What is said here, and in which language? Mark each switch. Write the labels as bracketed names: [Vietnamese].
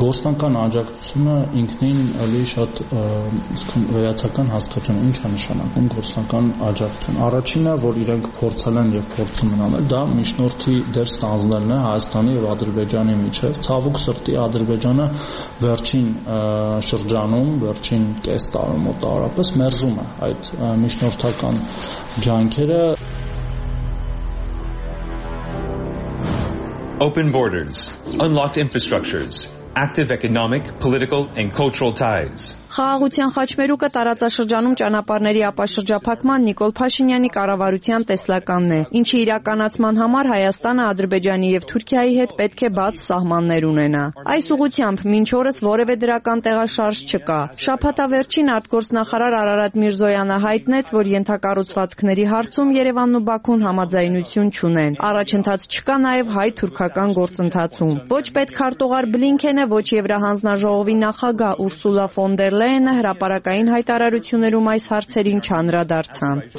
[Armenian] Գործնական աջակցությունը ինքնին ալի շատ վերացական հաստատում, ի՞նչ է նշանակում գործնական աջակցություն։ Առաջինը, որ իրենք փորձել են եւ փորձում են անել, դա միջնորդի դեր ստանձնելն է Հայաստանի եւ Ադրբեջանի միջեւ։ Ցավոք սրտի Ադրբեջանը վերջին շրջանում, վերջին կես տարում օտարապես մերժում է այդ միջնորդական ջանքերը։ [English] Open borders, unlocked infrastructures, active economic, political and cultural ties. [Armenian] Խաղաղության խաչմերուկը տարածաշրջանում ճանապարհների ապաշրջափակման Նիկոլ Փաշինյանի կառավարության տեսլականն է։ Ինչի իրականացման համար Հայաստանը Ադրբեջանի եւ Թուրքիայի հետ պետք է բաց սահմաններ ունենա։ Այս ուղությամբ մինչ օրս որևէ դրական տեղաշարժ չկա։ Շաբաթավերջին արտգործնախարար Արարատ Միրզոյանը հայտնեց, որ ենթակառուցվածքների հարցում Երևանն ու Բաքուն համաձայնություն չունեն։ Առաջընթաց չկա նաեւ հայ-թուրքական գործընթացում։ Ոչ պետքարտուղար Բլինքենը, ոչ Եվրահանձնաժողովի նախագահ Ուրսուլա ֆոն Դերլենը հրապարակային հայտարարություններում այս հարցերին չանրադարձան։